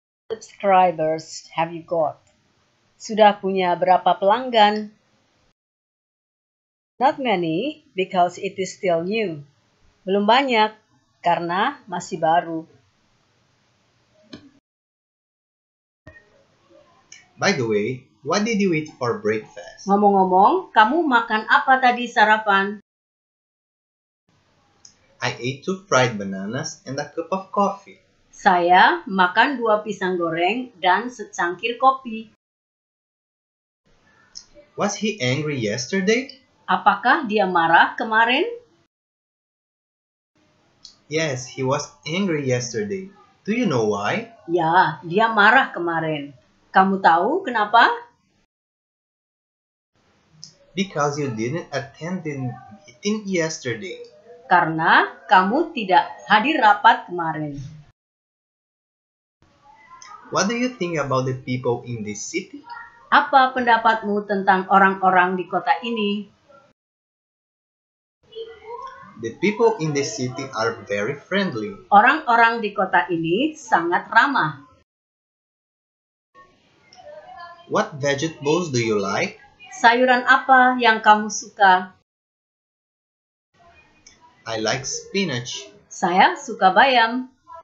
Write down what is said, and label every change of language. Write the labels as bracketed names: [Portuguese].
[English] Subscribers have you got? [Indonesian] Sudah punya berapa pelanggan? [English] Not many because it is still new. [Indonesian] Belum banyak karena masih baru. [English] By the way, what did you eat for breakfast? [Indonesian] Ngomong-ngomong, kamu makan apa tadi sarapan? [English] I ate 2 fried bananas and a cup of coffee. [Indonesian] Saya makan 2 pisang goreng dan secangkir kopi. [English] Was he angry yesterday? [Indonesian] Apakah dia marah kemarin? [English] Yes, he was angry yesterday. Do you know why? [Indonesian] Ya, dia marah kemarin. Kamu tahu kenapa? [English] Because you didn't attend the meeting yesterday. [Indonesian] Karena kamu tidak hadir rapat kemarin. [English] What do you think about the people in this city? [Indonesian] Apa pendapatmu tentang orang-orang di kota ini? [English] The people in this city are very friendly. [Indonesian] Orang-orang di kota ini sangat ramah. [English] What vegetables do you like? [Indonesian] Sayuran apa yang kamu suka? [English] I like spinach. [Indonesian] Saya suka bayam.